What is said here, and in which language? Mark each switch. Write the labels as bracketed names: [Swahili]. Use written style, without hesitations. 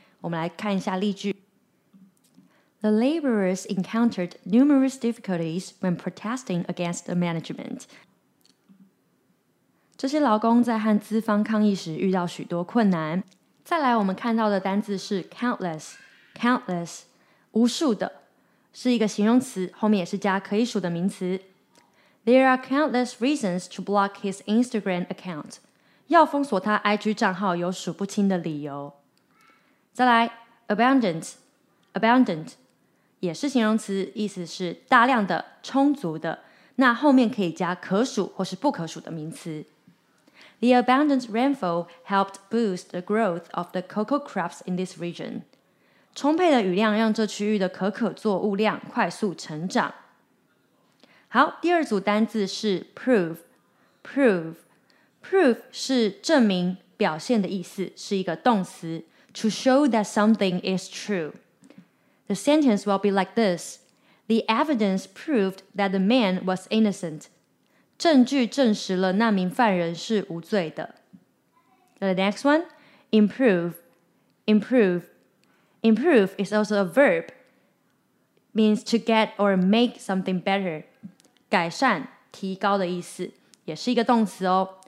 [Chinese] 我们来看一下例句 ： [English] The laborers encountered numerous difficulties when protesting against the management. [Chinese] 这些劳工在和资方抗议时遇到许多困难。再来，我们看到的单字是 countless， 无数的。是一个形容词，后面也是加可以数的名词。 [English] There are countless reasons to block his Instagram account. [Chinese] 要封锁他 IG 账号有数不清的理由。再来 ，abundant， 也是形容词，意思是大量的、充足的。那后面可以加可数或是不可数的名词。 [English] The abundant rainfall helped boost the growth of the cocoa crops in this region. [Chinese] 充沛的雨量让这区域的可可作物量快速成长。好，第二组单字是 prove 是证明、表现的意思，是一个动词 ， [English] to show that something is true. The sentence will be like this: The evidence proved that the man was innocent. [Chinese] 证据证实了那名犯人是无罪的。 [English] The next one, improve. Improve is also a verb, means to get or make something better. [Chinese] 改善、提高的意思，也是一个动词哦。